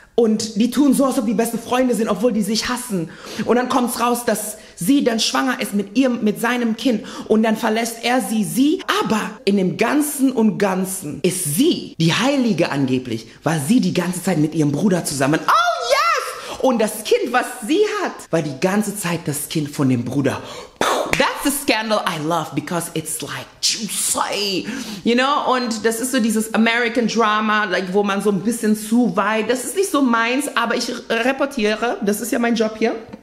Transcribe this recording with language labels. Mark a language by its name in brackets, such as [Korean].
[German] Und die tun so, als ob die beste Freunde sind, obwohl die sich hassen. Und dann kommt's raus, dass sie dann schwanger ist mit ihrem, mit seinem Kind. Und dann verlässt er sie. Aber in dem Ganzen und Ganzen ist sie die Heilige angeblich, weil sie die ganze Zeit mit ihrem Bruder zusammen. [English] Oh yes. [German] Und das Kind, was sie hat, war die ganze Zeit das Kind von dem Bruder. [English] That's the scandal I love, because it's like juicy, you know? [German] Und das ist so dieses American Drama, like, wo man so ein bisschen zu weit, das ist nicht so meins, aber ich reportiere, das ist ja mein Job hier.